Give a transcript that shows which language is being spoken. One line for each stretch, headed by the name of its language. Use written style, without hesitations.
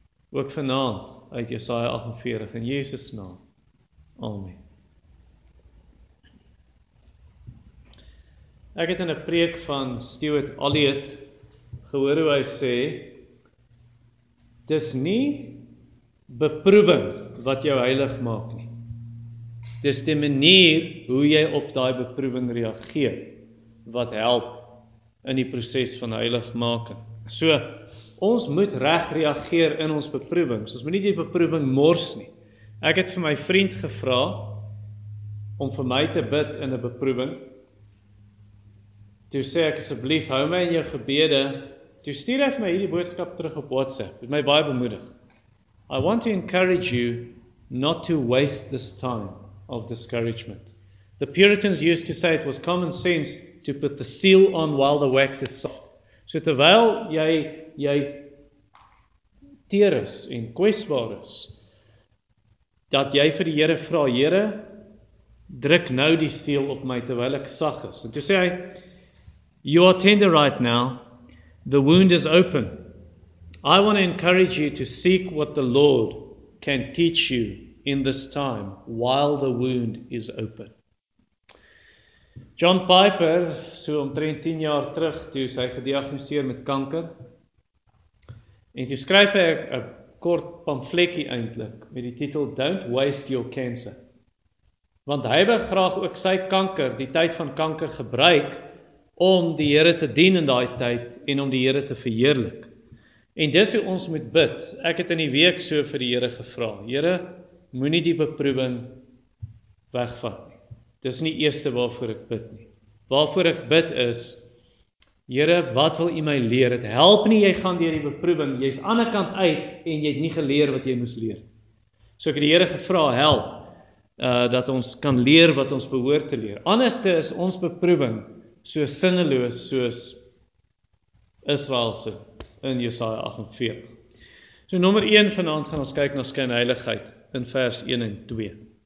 Afrikaans: Ook vanavond uit Jesaja 48 in Jesus naam. Amen. Ek het in 'n preek van Stuart Elliot gehoor hoe hy sê, dis nie beproeving wat jou heilig maak nie. Dis die manier hoe jy op daai beproeving reageer, wat help in die proses van heiligmaking. So, ons moet reg reageer in ons beproewings. Ons moet nie die beproeving mors nie. Ek het vir my vriend gevra om vir my te bid in 'n beproeving. Toe sê ek asseblief, hou my in jou gebede. Toe stuur hy vir my hierdie boodskap terug op WhatsApp. Het my baie bemoedig.
English: I want to encourage you not to waste this time of discouragement. The Puritans used to say it was common sense to put the seal on while the wax is soft.
Afrikaans: So terwyl jy teer is en kwesbaar is, dat jy vir die Here vra, Here, druk nou die seel op my terwyl ek sag is. En toe sê hy,
English: you are tender right now, the wound is open. I want to encourage you to seek what the Lord can teach you in this time while the wound is open.
Afrikaans: John Piper, so omtrent 10 jaar terug, toe is hy gediagnoseer met kanker. En toe skryf hy 'n kort pamfletjie eintlik met die titel Don't Waste Your Cancer. Want hy wil graag ook sy kanker, die tyd van kanker, gebruik om die Here te dien in daai tyd en om die Here te verheerlik. En dis hoe ons moet bid. Ek het in die week so vir die Here gevra. Here, moenie die beproewing wegvat. Dis nie eerste waarvoor ek bid nie. Waarvoor ek bid is, Here, wat wil U my leer? Het help nie, jy gaan deur die beproeving, jy is aan die kant uit, en jy het nie geleer wat jy moes leer. So ek het die Here gevra, help, dat ons kan leer wat ons behoort te leer. Anderste is ons beproeving, so sinneloos, soos Israëlse, in Jesaja 48. So nommer 1 vanavond gaan ons kyk na skynheiligheid, in vers 1 en 2.